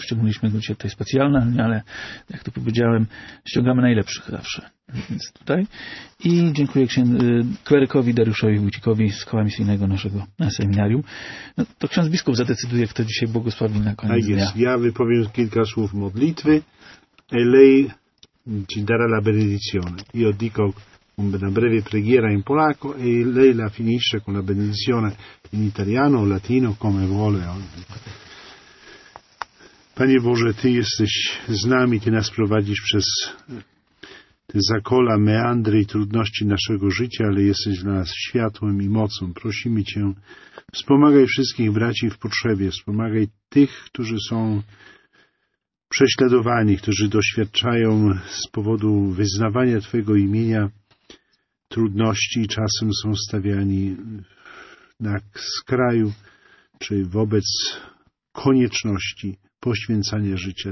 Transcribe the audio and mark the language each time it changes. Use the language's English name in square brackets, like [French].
[Polish] Ściągnęliśmy go dzisiaj tutaj specjalnie, ale jak to powiedziałem, ściągamy najlepszych zawsze. Więc tutaj. I dziękuję klerykowi Dariuszowi Wójcikowi z koła misyjnego naszego seminarium. No, to ksiądz biskup zadecyduje, kto dzisiaj błogosławi na koniec dnia. Ja wypowiem kilka słów modlitwy. [Italian] Elei ci dara la benedizione. Io dico una breve preghiera in polacco e lei la finisce con la benedizione in italiano o latino, come vuole. [Polish] Panie Boże, Ty jesteś z nami, Ty nas prowadzisz przez te zakola, meandry i trudności naszego życia, ale jesteś dla nas światłem i mocą. Prosimy Cię, wspomagaj wszystkich braci w potrzebie, wspomagaj tych, którzy są prześladowani, którzy doświadczają z powodu wyznawania Twojego imienia trudności i czasem są stawiani na skraju czy wobec konieczności poświęcania życia.